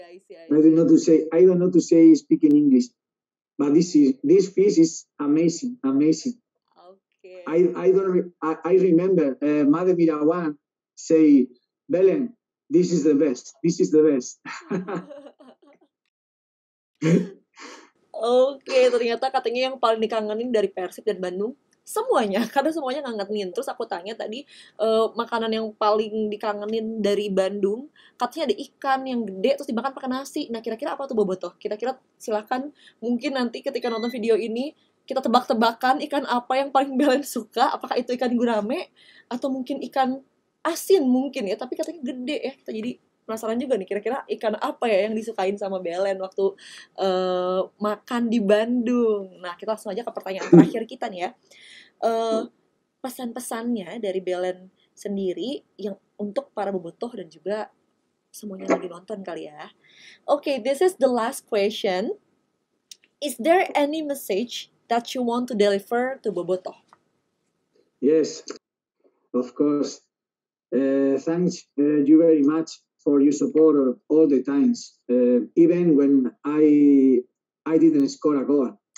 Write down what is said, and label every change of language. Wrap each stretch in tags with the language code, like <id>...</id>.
<en>I don't know to say speaking English. But this fish is amazing. Okay. I remember Made Wirawan say, Belen, this is the best.</en> <id>Okay, ternyata katanya yang paling dikangenin dari PERSIB dan Bandung, semuanya, karena semuanya ngangenin. Terus aku tanya tadi, makanan yang paling dikangenin dari Bandung, katanya ada ikan yang gede, terus dimakan pakai nasi. Nah, kira-kira apa tuh bobotoh? Kira-kira silakan, mungkin nanti ketika nonton video ini, kita tebak-tebakan ikan apa yang paling Belen suka, apakah itu ikan gurame, atau mungkin ikan asin mungkin ya, tapi katanya gede ya. Kita jadi penasaran juga nih, kira-kira ikan apa ya yang disukain sama Belen waktu makan di Bandung. Nah, kita langsung aja ke pertanyaan terakhir kita nih ya. Pesan-pesannya dari Belen sendiri yang untuk para bobotoh dan juga semuanya lagi nonton kali ya.</id> <en>Okay, this is the last question. Is there any message that you want to deliver to bobotoh? Yes, of course. Thanks you very much for your support all the times, even when I didn't score a goal.</en>